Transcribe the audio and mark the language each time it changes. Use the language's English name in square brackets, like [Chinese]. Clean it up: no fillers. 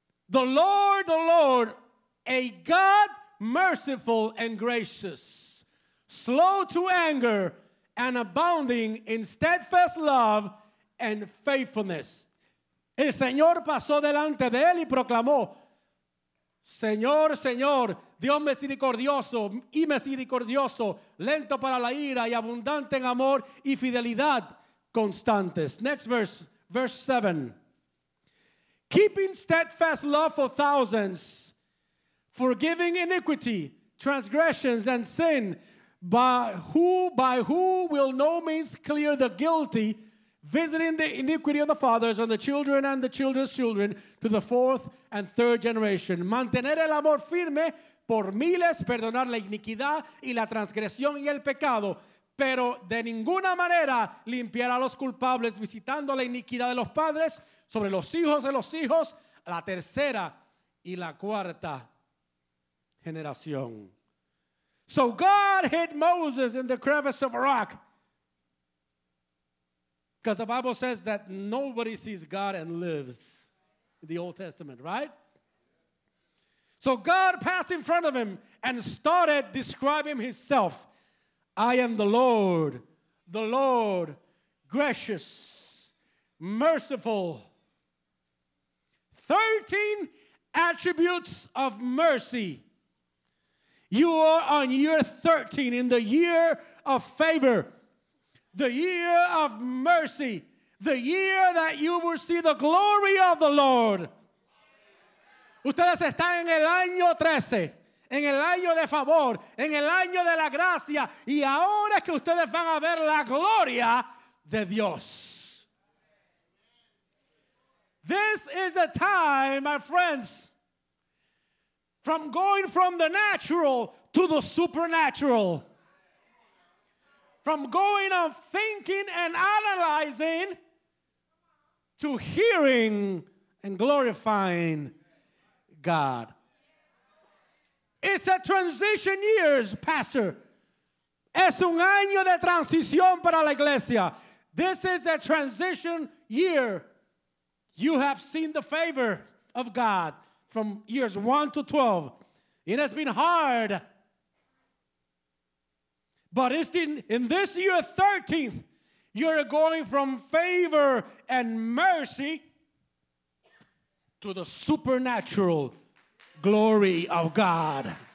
[English] The Lord, a God merciful and gracious, slow to anger and abounding in steadfast love and faithfulness. [Spanish] El Señor pasó delante de él y proclamó, Señor, Señor, Dios misericordioso y misericordioso, lento para la ira y abundante en amor y fidelidad constantes. [English] Next verse, verse 7. Keeping steadfast love for thousands, forgiving iniquity, transgressions, and sin, by who will no means clear the guilty, visiting the iniquity of the fathers on the children and the children's children to the fourth and third generation. [Spanish] Mantener el amor firme por miles, perdonar la iniquidad y la transgresión y el pecado, pero de ninguna manera limpiar a los culpables, visitando la iniquidad de los padres sobre los hijos de los hijos, la tercera y la cuarta generación. [English] So God hit Moses in the crevice of a rock. Because the Bible says that nobody sees God and lives in the Old Testament, right? So God passed in front of him and started describing himself. I am the Lord, gracious, merciful. 13 attributes of mercy. You are on year 13 in the year of favor, the year of mercy, the year that you will see the glory of the Lord. [Spanish] Ustedes están en el año 13, en el año de favor, en el año de la gracia, y ahora es que ustedes van a ver la gloria de Dios. [English] This is a time, my friends, from going from the natural to the supernatural. From going on thinking and analyzing to hearing and glorifying God. It's a transition years, Pastor. [Spanish] Es un año de transición para la iglesia. [English] This is a transition year. You have seen the favor of God from years 1 to 12. It has been hard. But it's in this year 13th, you're going from favor and mercy to the supernatural glory of God.